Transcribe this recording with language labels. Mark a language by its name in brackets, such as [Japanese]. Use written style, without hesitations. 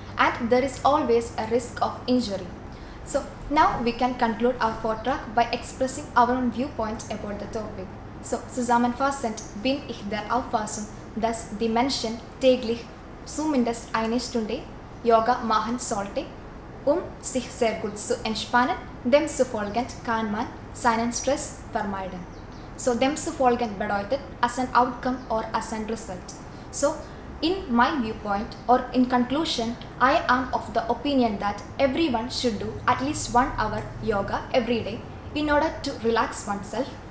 [English] And there is always a risk of injury. So, now we can conclude our vortrag by expressing our own viewpoint about the topic. [German] So, zusammenfassend bin ich der Auffassung, dass die Menschen täglich zumindest eine Stunde Yoga machen sollte, sich sehr gut zu entspannen, demzufolgend kann man seinen Stress vermeiden. So demzufolgend bedeutet [English] as an outcome or as a result. So, in my viewpoint or in conclusion, I am of the opinion that everyone should do at least 1 hour yoga every day in order to relax oneself.